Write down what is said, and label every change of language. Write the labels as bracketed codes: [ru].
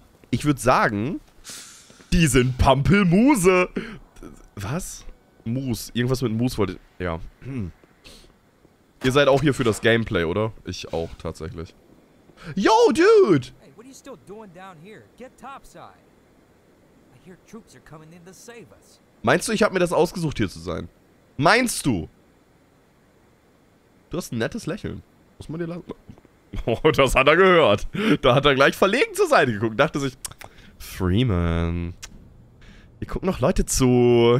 [de] Ich würde sagen, die sind Pampelmuse. Was? Mus. Irgendwas mit Mus wollte ich... Ja. Ihr seid auch hier für das Gameplay, oder? Ich auch, tatsächlich. [en] Yo, dude! Hey, what are you still doing down here? Get topside. I hear troops are coming in to save us. [de] Meinst du, ich habe mir das ausgesucht, hier zu sein? Meinst du? Du hast ein nettes Lächeln. Muss man dir lassen. Oh, das hat er gehört. Da hat er gleich verlegen zur Seite geguckt. Dachte sich, Freeman. Hier gucken noch Leute zu.